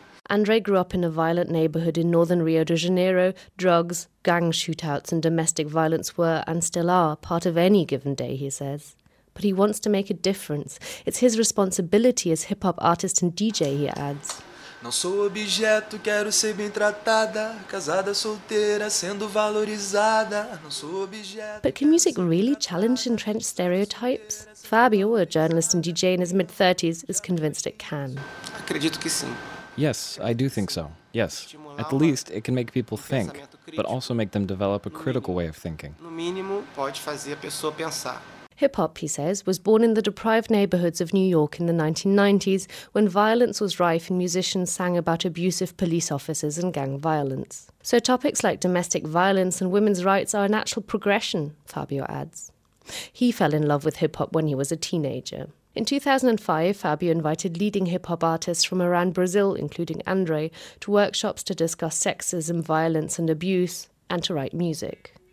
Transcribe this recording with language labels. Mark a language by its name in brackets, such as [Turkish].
[English] André grew up in a violent neighborhood in northern Rio de Janeiro. Drugs, gang shootouts, and domestic violence were, and still are, part of any given day, he says. But he wants to make a difference. It's his responsibility as hip-hop artist and DJ, he adds. [Portuguese] Não sou objeto, quero ser bem tratada, casada, solteira, sendo valorizada. Não sou objeto. [English] But can music really challenge entrenched stereotypes? Fabio, a journalist and DJ in his mid-30s, is convinced it can. [Portuguese] Acredito que sim. [English] Yes, I do think so. Yes. At least it can make people think, but also make them develop a critical way of thinking. [Portuguese] No mínimo, pode fazer a pessoa pensar. [English] Hip-hop, he says, was born in the deprived neighborhoods of New York in the 1990s when violence was rife and musicians sang about abusive police officers and gang violence. So topics like domestic violence and women's rights are a natural progression, Fabio adds. He fell in love with hip-hop when he was a teenager. In 2005, Fabio invited leading hip-hop artists from around Brazil, including André, to workshops to discuss sexism, violence and abuse, and to write music.